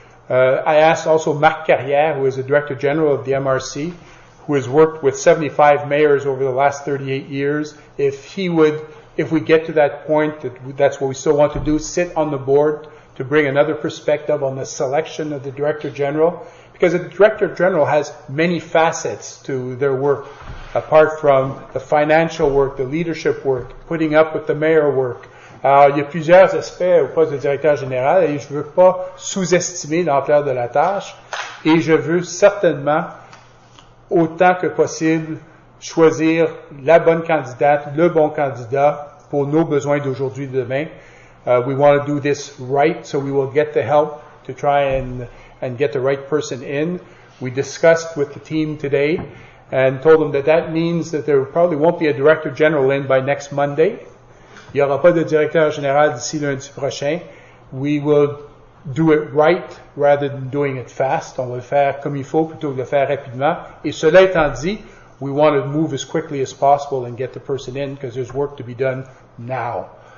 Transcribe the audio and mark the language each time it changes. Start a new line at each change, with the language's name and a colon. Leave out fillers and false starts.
English: I asked also Marc Carrière, who is the Director General of the MRC, who has worked with 75 mayors over the last 38 years, if he would, if we get to that point, that's what we still want to do, sit on the board to bring another perspective on the selection of the Director General. Because the Director General has many facets to their work, apart from the financial work, the leadership work, putting up with the mayor work.
French: Il y a plusieurs aspects au poste de directeur général et je ne veux pas sous-estimer l'ampleur de la tâche et je veux certainement, autant que possible, choisir la bonne candidate, le bon candidat pour nos besoins d'aujourd'hui et demain.
English: We want to do this right, so we will get the help to try and get the right person in. We discussed with the team today and told them that that means that there probably won't be a director general in by next Monday.
French: Il n'y aura pas de directeur général d'ici lundi prochain.
English: We will do it right rather than doing it fast.
French: On va le faire comme il faut plutôt que de le faire rapidement. Et cela étant dit,
English: we want to move as quickly as possible and get the person in because there's work to be done now.